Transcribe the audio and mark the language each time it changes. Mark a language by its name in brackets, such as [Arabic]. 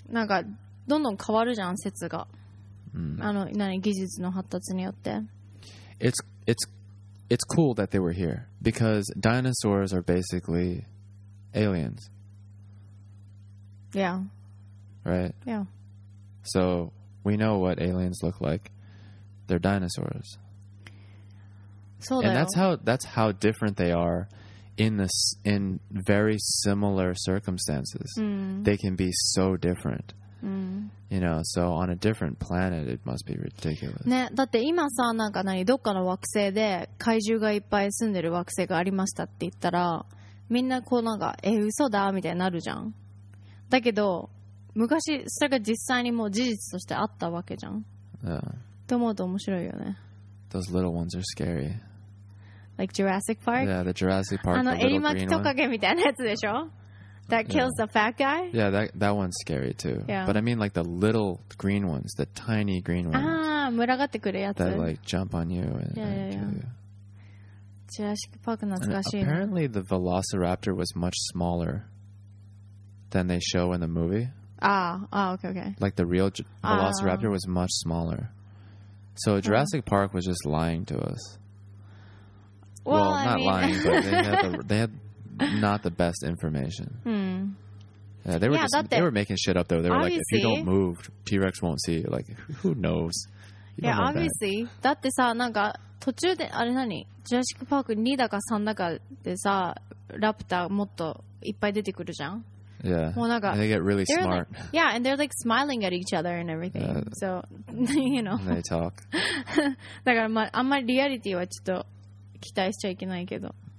[Japanese] なんかどんどん変わるじゃん説が。 Mm. あの何技術の発達によって。 [English] It's cool that they were here because dinosaurs are basically aliens. Yeah. Right. Yeah. So we know what aliens look like. They're dinosaurs. [Japanese] そう [English] だよ。 And that's how different they are in very similar circumstances.、 Mm. They can be so different.、 Mm. You know, so on a different planet, it must be ridiculous. [Japanese] ね、だって今さ、なんか何、どっかの惑星で怪獣がいっぱい住んでる惑星がありましたって言ったら、みんなこうなんか、嘘だみたいになるじゃん。だけど、昔それが実際にもう事実としてあったわけじゃん。 [English] Yeah. [Japanese] と思うと面白いよね。 [English] Those little ones are scary. Like Jurassic Park? Yeah, the Jurassic Park. [Japanese] あの、エリマキトカゲみたいなやつでしょ? [English] That kills the fat guy? Yeah, that one's scary too. Yeah. But I mean like the little green ones, the tiny green ones. [Japanese] ああ、群がってくるやつ。 [English] That like jump on you. And, [Japanese] Jurassic Park 懐かしい。 [English] Apparently the Velociraptor was much smaller than they show in the movie. Okay. Like the real Velociraptor was much smaller. So Jurassic Park was just lying to us. Well, not lying, but they had not the best information. Hmm. Yeah, they were making shit up though. They were like, if you don't move, T-Rex won't see you. Like, who knows? Yeah, obviously. [Japanese] だってさ、なんか途中で、あれ何？ジュラシックパーク2だか3だかでさ、ラプターもっといっぱい出てくるじゃん。 [English] Yeah, well, and they get really smart. Like, yeah, and they're like smiling at each other and everything. So, you know. And they talk. [Japanese] だからまああんまりリアリティはちょっと期待しちゃいけないけど。